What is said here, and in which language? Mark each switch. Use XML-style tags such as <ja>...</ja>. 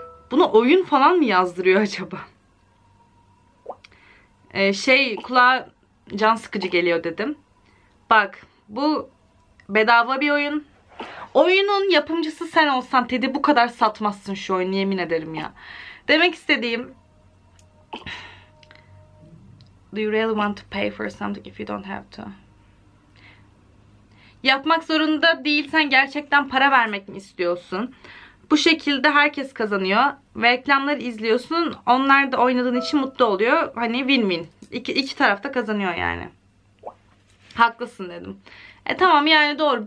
<tr>Buna oyun falan mı yazdırıyor acaba? Kulağa can sıkıcı geliyor dedim. Bak, bu bedava bir oyun. Oyunun yapımcısı sen olsan Teddy, bu kadar satmazsın şu oyunu, yemin ederim ya. Demek istediğim,</tr> <en>do you really want to pay for something if you don't have to?</en> <tr>Yapmak zorunda değilsen gerçekten para vermek mi istiyorsun? Bu şekilde herkes kazanıyor. Reklamları izliyorsun. Onlar da oynadığın için mutlu oluyor. Hani win-win. İki taraf da kazanıyor yani. Haklısın dedim. Tamam yani, doğru.</tr>